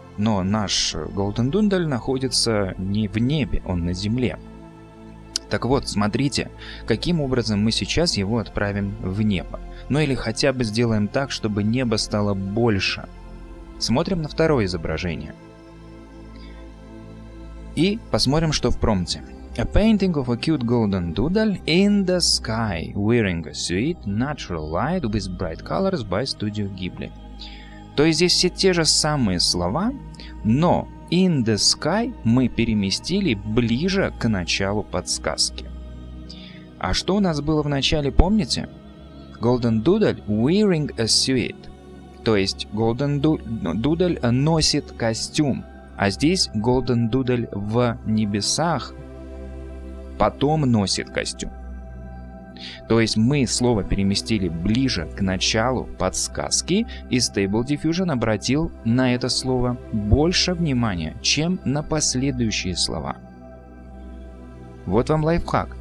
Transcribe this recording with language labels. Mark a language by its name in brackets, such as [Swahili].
[Russian] Но наш Golden Doodle находится не в небе, он на земле. Так вот, смотрите, каким образом мы сейчас его отправим в небо. Ну или хотя бы сделаем так, чтобы небо стало больше. Смотрим на второе изображение. И посмотрим, что в промпте. [English] A painting of a cute golden doodle in the sky, wearing a suit, natural light with bright colors by Studio Ghibli. [Russian] То есть здесь все те же самые слова, но... [English] In the sky [Russian] мы переместили ближе к началу подсказки. А что у нас было в начале, помните? [English] Golden Doodle wearing a suit. [Russian] То есть Golden Doodle носит костюм. А здесь Golden Doodle в небесах потом носит костюм. То есть мы слово переместили ближе к началу подсказки, и Stable Diffusion обратил на это слово больше внимания, чем на последующие слова. Вот вам лайфхак.